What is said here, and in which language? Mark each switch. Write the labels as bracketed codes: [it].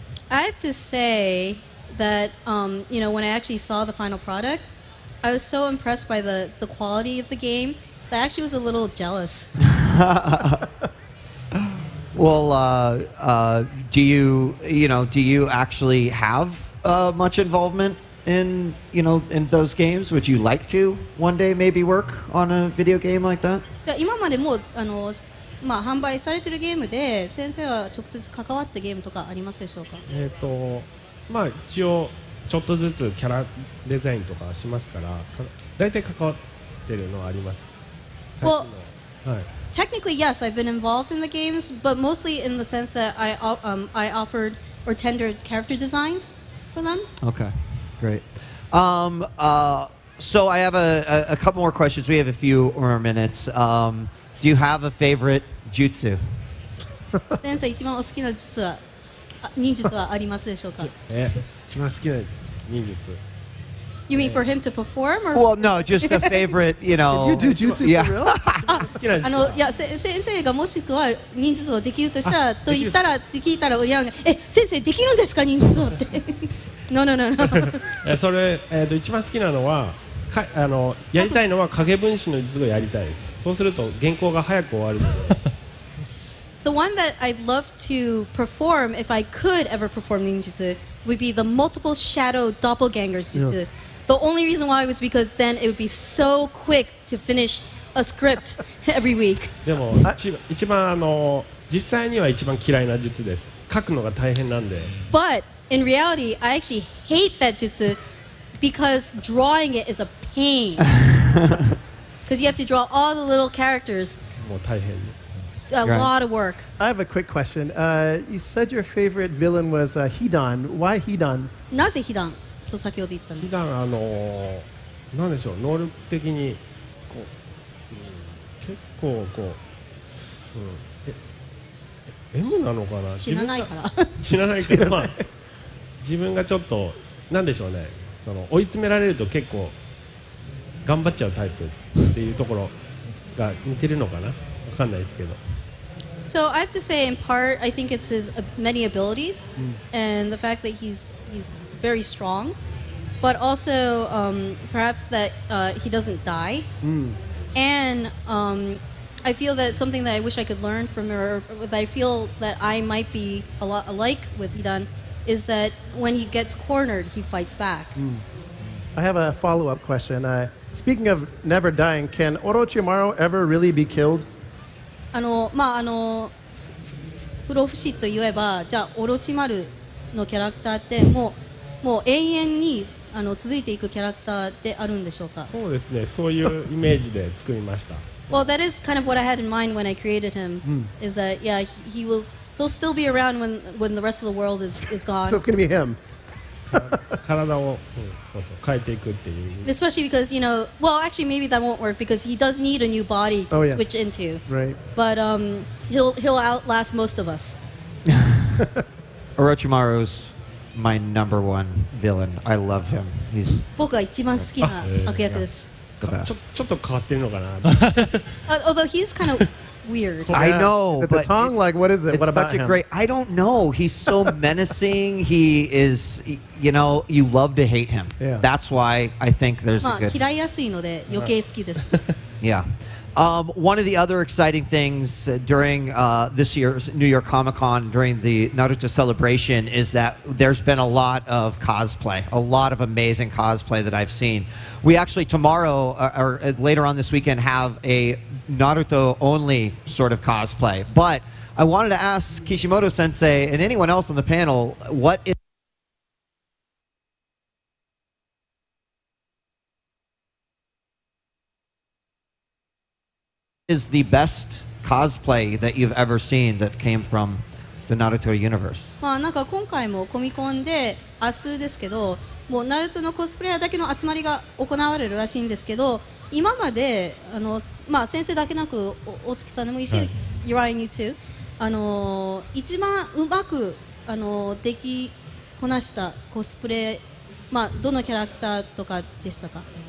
[en] I have to say that, you know, when I actually saw the final product, I was so impressed by the quality of the game that I actually was a little jealous. Well, do you actually have much involvement in, you know, in those games? Would you like to one day maybe work on a video game like that? [ja] 今までもあの、まあ、販売されてるゲームで先生は直接関わったゲームとかありますでしょうか？まあ一応ちょっとずつキャラデザインとかしますから、大体関わってるのはあります。最近の、well, はい。 [en] Technically, yes, I've been involved in the games, but mostly in the sense that I offered or tendered character designs for them. Okay, great. So I have a couple more questions. We have a few more minutes. Do you have a favorite jutsu? [ja] 先生、一番お好きな術は、忍術はありますでしょうか？一番好きな忍術。 [en] You mean for him to perform? Or? Well, no, just a favorite, you know. Did you do jutsu for real? [ja] あの、いや、先生がもしくは忍術をできるとしたらと言ったら、聞いたら、リアンが、先生できるんですか、忍術をって。 [en] No. [ja] それ、一番好きなのは、あの、やりたいのは影分身の術をやりたいです。そうすると原稿が早く終わるので。 [en] The one that I'd love to perform, if I could ever perform 忍術, would be the multiple shadow doppelgangers 忍術. Yeah. The only reason why was because then it would be so quick to finish a script every week. [ja] でも一番あの実際には一番嫌いな術です。書くのが大変なんで。 [en] But in reality, I actually hate that 術 because drawing it is a pain. Because you have to draw all the little characters. It's a lot of work. I have a quick question. You said your favorite villain was Hidan. Why Hidan? [ja] Nase Hidan? と先ほど言ったんです。 Hidan は、なんでしょう、能力的に、こう、結構、こう、M なのかな死なないから。死なないけど、まあ、自分がちょっと、なんでしょうね、その、追い詰められると結構、頑張っちゃうタイプっていうところが似てるのかな、わかんないですけど。 [en] So I have to say, in part, I think it's his many abilities, and the fact that he's very strong, but also perhaps that he doesn't die. And I feel that something that I wish I could learn from him, or that I feel that I might be a lot alike with Hidan, is that when he gets cornered, he fights back. I have a follow-up question. Speaking of never dying, can Orochimaru ever really be killed? [ja] プロフシと言えば、じゃあオロチマルのキャラクターってもう永遠に続いていくキャラクターであるんでしょうか？そうですね、そういうイメージで作りました。 [en] Well, that is kind of what I had in mind when I created him, is that, yeah, he'll still be around when the rest of the world is gone. So it's going to be him. [ja] 体を、そうそう、変えていくっていう。 [en] Especially because, you know, well, actually, maybe that won't work because he does need a new body to switch into. Right. But he'll outlast most of us. Orochimaru's my number one villain. I love him. He's [ja] 僕が一番好きな悪役です。ちょっと変わってるのかな。 [en] Although he's kind of weird. I know, but the tongue, like, what is it? What about him? Great. I don't know. He's so menacing. He is, you know, you love to hate him. Yeah. That's why I think there's a good. [ja] 嫌いやすいので余計好きです。 [en] Yeah. One of the other exciting things during this year's New York Comic Con, during the Naruto celebration, is that there's been a lot of cosplay, a lot of amazing cosplay that I've seen. We actually tomorrow or later on this weekend have a Naruto-only sort of cosplay. But I wanted to ask Kishimoto-sensei and anyone else on the panel, what is... is the best cosplay that you've ever seen that came from the Naruto universe? [ja] まあなんか今回もコミコンで明日ですけど、もうナルトのコスプレイヤーだけの集まりが行われるらしいんですけど、今まで先生だけなく大月さんでもいいし、ユライン [en] you too、 [ja] 一番うまくできこなしたコスプレ、まあどのキャラクターとかでしたか？